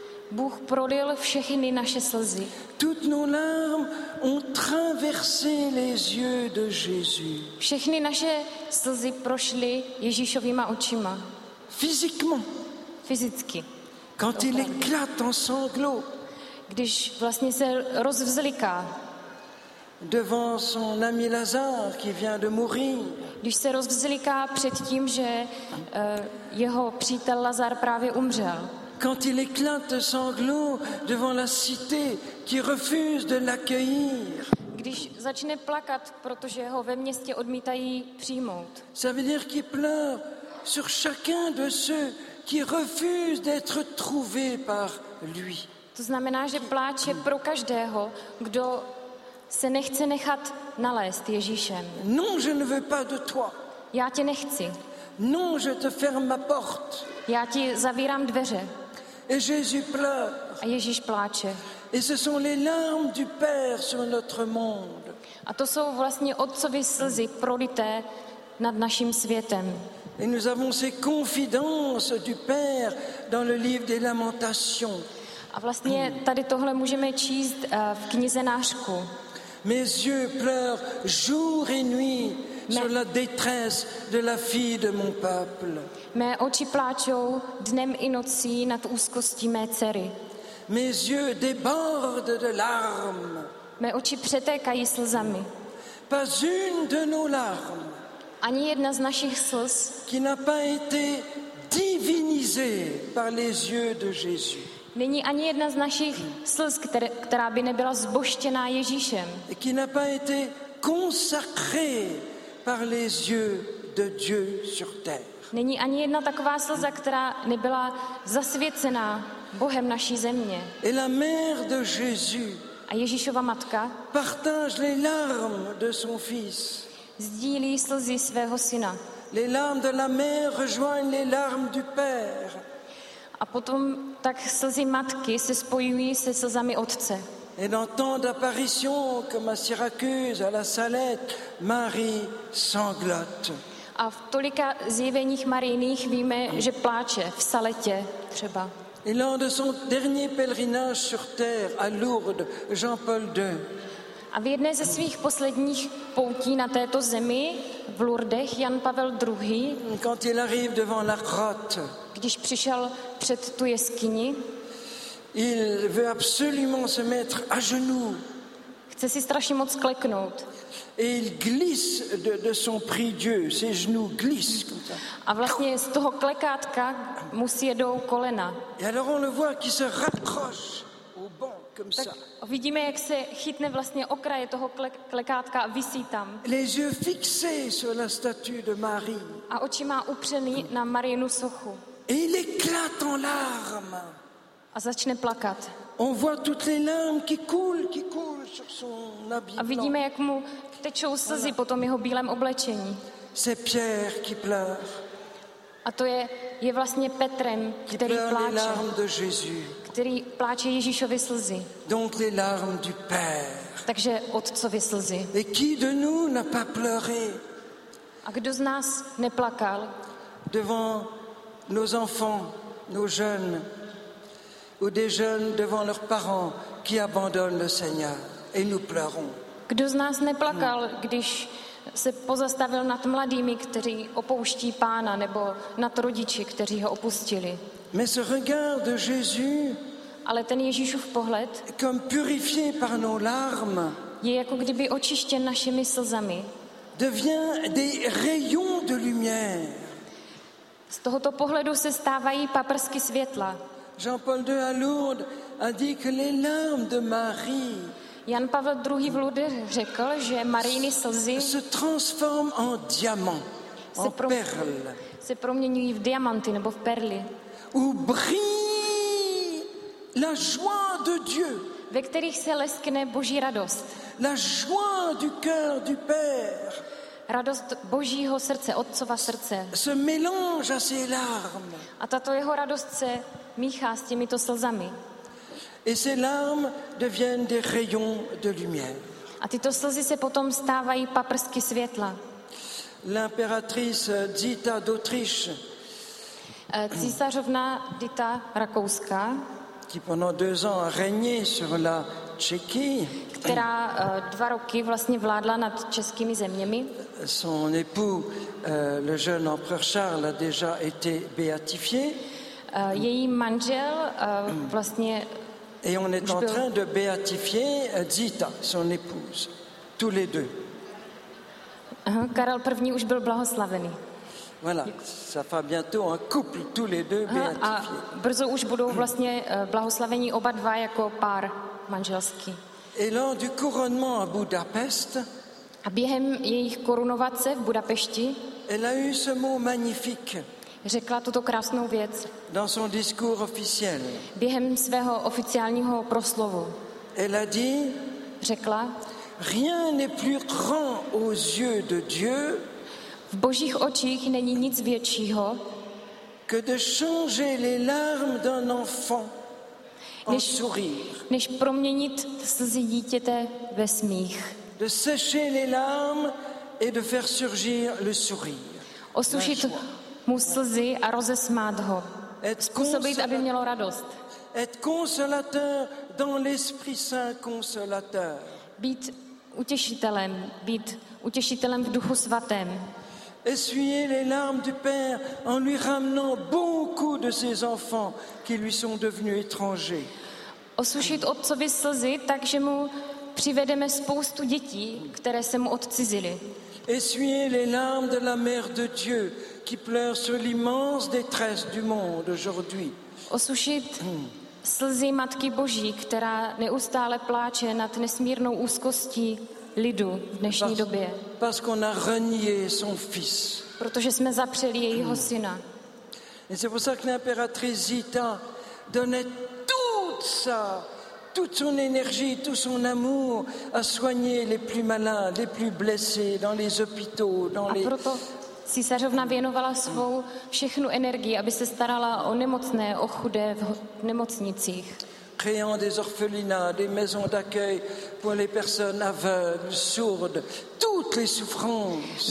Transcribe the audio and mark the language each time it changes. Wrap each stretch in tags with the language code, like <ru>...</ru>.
<cs>Bůh prolil všechny naše slzy.</cs> <fr>Toutes nos larmes ont traversé les yeux de Jésus.</fr> <cs>Všechny naše slzy prošly Ježíšovýma očima.</cs> <fr>Physiquement.</fr> <cs>Fyzicky.</cs> <fr>Quand il éclate en sanglots.</fr> <cs>Když vlastně se rozvzliká.</cs> <fr>Devant son ami Lazare qui vient de mourir.</fr> <cs>Když se rozvzliká před tím, že jeho přítel Lazar právě umřel.</cs> <fr>Quand il éclate sanglot devant la cité qui refuse de l'accueillir.</fr> <cs>Když začne plakat, protože ho ve městě odmítají přijmout.</cs> <fr>Ça veut dire qu'il pleure sur chacun de ceux qui refusent d'être trouvés par lui.</fr> <cs>To znamená, že pláče pro každého, kdo se nechce nechat nalézt Ježíšem.</cs> <fr>Non, je ne veux pas de toi.</fr> <cs>Já tě nechci.</cs> <fr>Non, je te ferme ma porte.</fr> <cs>Já ti zavírám dveře.</cs> <fr>Et Jésus pleure.</fr> <cs>A Ježíš pláče.</cs> <fr>Et ce sont les larmes du Père sur notre monde.</fr> <cs>A to jsou vlastně Otcovy slzy prolité nad naším světem.</cs> <fr>Et nous avons ces confidences du Père dans le livre des Lamentations.</fr> <cs>A vlastně tady tohle můžeme číst v knize Nářku.</cs> <fr>Mes yeux pleurent jour et nuit sur la détresse de la fille de mon peuple.</fr> <cs>Mé oči pláčou dnem i nocí nad úzkostí mé dcery.</cs> <fr>Mes yeux débordent de larmes.</fr> <cs>Mé oči přetékají slzami.</cs> <fr>Pas une de nos larmes.</fr> <cs>Ani jedna z našich slz.</cs> <fr>Qui n'a pas été divinisée par les yeux de Jésus.</fr> <cs>Není ani jedna z našich slz, která by nebyla zboštěná Ježíšem.</cs> <fr>Qui n'a pas été consacrée par les yeux de Dieu sur terre.</fr> <cs>Není ani jedna taková slza, která nebyla zasvěcená Bohem naší země.</cs> <fr>Et la mère de Jésus.</fr> <cs>A Ježíšova matka.</cs> <fr>Partage les larmes de son fils.</fr> <cs>Sdílí slzy svého syna.</cs> <fr>Les larmes de la mère rejoignent les larmes du père.</fr> <cs>A potom tak slzy matky se spojují se slzami otce.</cs> <fr>Et dans tant d'apparitions comme à Syracuse, à la Salette, Marie sanglote.</fr> <cs>A v tolika zjeveních Mariiných víme, že pláče v Saletě třeba.</cs> <fr>Et lors de son dernier pèlerinage sur terre à Lourdes, Jean-Paul II.</fr> <cs>A v jedné ze svých posledních poutí na této zemi v Lourdech Jan Pavel II.</cs> <fr>Quand il arrive devant la grotte.</fr> <cs>Když přišel před tu jeskyni.</cs> <fr>Il veut absolument se mettre à genoux.</fr> <cs>Chce si strašně moc kleknout.</cs> <fr>Et il glisse de son prie-Dieu, ses genoux glissent comme ça.</fr> <cs>A vlastně z toho klekátka mu sjedou kolena.</cs> <fr>Et alors on le voit qui se raccroche au banc comme</fr> <cs>tak</cs> <fr>ça.</fr> <cs>Tak vidíme, jak se chytne vlastně okraje toho klekátka a visí tam.</cs> <fr>Les yeux fixés sur la statue de Marie.</fr> <cs>A oči má upřený na Marijinu sochu.</cs> <fr>Et il éclate en larmes.</fr> <cs>A začne plakat.</cs> <fr>On voit toutes les larmes qui coulent sur son habit.</fr> <cs>A vidíme, jak mu tečou slzy po tom jeho bílém oblečení.</cs> <fr>C'est Pierre qui pleure.</fr> <cs>A to je vlastně Petrem, který pláče. Který pláče Ježíšovy slzy.</cs> <fr>Donc les larmes du père.</fr> <cs>Takže otcovy slzy.</cs> <fr>Et qui de nous n'a pas pleuré?</fr> <cs>A kdo z nás neplakal?</cs> <fr>Devant nos enfants, nos jeunes. Ou des jeunes devant leurs parents qui abandonnent le Seigneur et nous pleurons.</fr> <cs>Kdo z nás neplakal, když se pozastavil nad mladými, kteří opouští Pána, nebo nad rodiči, kteří ho opustili?</cs> <fr>Mais ce regard de Jésus,</fr> <cs>ale ten Ježíšův pohled,</cs> <fr>comme purifié par nos larmes,</fr> <cs>je jako kdyby očištěn našimi slzami,</cs> <fr>devient des rayons de lumière.</fr> <cs>Z tohoto pohledu se stávají paprsky světla.</cs> <fr>Jean-Paul II à Lourdes a dit que les larmes de Marie.</fr> <cs>Jan Pavel II v Lourdes řekl, že Marijiny slzy</cs> <fr>se transforment en diamant, en perle.</fr> <cs>Se proměňují v diamanty nebo v perly.</cs> <fr>Où brille la joie de Dieu.</fr> <cs>Ve kterých se leskne Boží radost.</cs> <fr>La joie du cœur du Père.</fr> <cs>Radost Božího srdce, Otcova srdce.</cs> <fr>Se mélange à ses larmes.</fr> <cs>A tato jeho radost se míchá s těmito slzami.</cs> <fr>Et ces larmes deviennent des rayons de lumière.</fr> <cs>A tyto slzy se potom stávají paprsky světla.</cs> <fr>L'impératrice Zita d'Autriche.</fr> <cs>Císařovna Dita Rakouska.</cs> <fr>Qui pendant 2 ans a régné sur la Tchéquie.</fr> <cs>Která 2 roky vlastně vládla nad českými zeměmi.</cs> <fr>Son époux, le jeune empereur Charles a déjà été béatifié.</fr> <cs>Její manžel vlastně.</cs> <fr>Et on est en train de béatifier Zita, son épouse, tous les deux.</fr> <cs>Karel I. už byl blahoslavený.</cs> <fr>Voilà, ça fera bientôt un couple, tous les deux béatifiés.</fr> <cs>A brzo už budou vlastně blahoslavení oba dva jako pár manželský.</cs> <fr>Et lors du couronnement à Budapest.</fr> <cs>A během jejich korunovace v Budapešti.</cs> <fr>Elle a eu ce mot magnifique.</fr> <cs>Řekla tuto krásnou věc.</cs> <fr>Dans son discours officiel.</fr> <cs>Během svého oficiálního proslovu.</cs> <fr>Elle a dit.</fr> <cs>Řekla.</cs> <fr>Rien n'est plus grand aux yeux de Dieu.</fr> <cs>V Božích očích není nic většího.</cs> <fr>Que de changer les larmes d'un enfant en sourire.</fr> <cs>Než proměnit slzy dítěte ve smích.</cs> <fr>De sécher les larmes et de faire surgir le sourire.</fr> <cs>Osušit mu slzy a rozesmát ho. Způsobit, aby mělo radost.</cs> <fr>Être consolateur dans l'Esprit Saint consolateur.</fr> <cs>Být utěšitelem, být utěšitelem v Duchu svatém.</cs> <fr>Essuyer les larmes du père en lui ramenant beaucoup de ses enfants qui lui sont devenus étrangers.</fr> <cs>Osušit otcovi slzy, takže mu přivedeme spoustu dětí, které se mu odcizily.</cs> <fr>Essuyer les larmes de la mère de Dieu qui pleure sur l'immense détresse du monde aujourd'hui.</fr> <cs>Osušit slzy Matky Boží, která neustále pláče nad nesmírnou úzkostí lidu v dnešní době.</cs> <fr>Parce qu'on a renié son fils.</fr> <cs>Protože jsme zapřeli jejího syna.</cs> <fr>Et c'est pour ça que l'impératrice Zita donnait toute sa, toute son énergie, tout son amour à soigner les plus malades, les plus blessés dans les hôpitaux, dans les...</fr> <cs>A proto císařovna věnovala svou všechnu energii, aby se starala o nemocné, o chudé v nemocnicích.</cs> <fr>Créant des orphelinats, des maisons d'accueil pour les personnes aveugles, sourdes, toutes les souffrances.</fr>